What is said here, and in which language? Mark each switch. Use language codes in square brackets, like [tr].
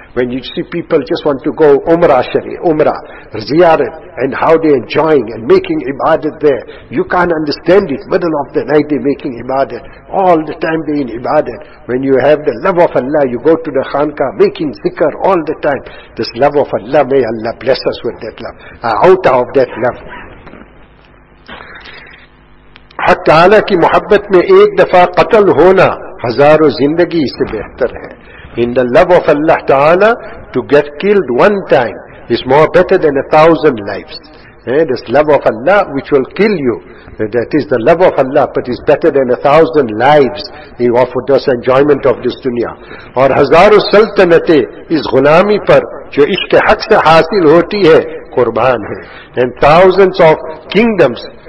[en] When you see people just want to go Umrah, Ziyarat, and how they're enjoying and making Ibadat there. You can't understand it. Middle of the night they're making Ibadat. All the time they're in Ibadat. When you have the love of Allah, you go to the Khanqah making Zikr all the time. This love of Allah, may Allah bless us with that love. Out of that love. [ur] حق تعالیٰ کی محبت میں ایک دفعہ قتل ہونا ہزاروں زندگی سے بہتر ہے. [en] In the love of Allah Ta'ala, to get killed one time is more better than 1,000 lives. This love of Allah which will kill you, that is the love of Allah, but is better than 1,000 lives of this enjoyment of this dunya. [ur] اور ہزاروں سلطنتیں اس غلامی پر جو عشق حق سے حاصل ہوتی ہے قربان ہے. [en] And thousands of kingdoms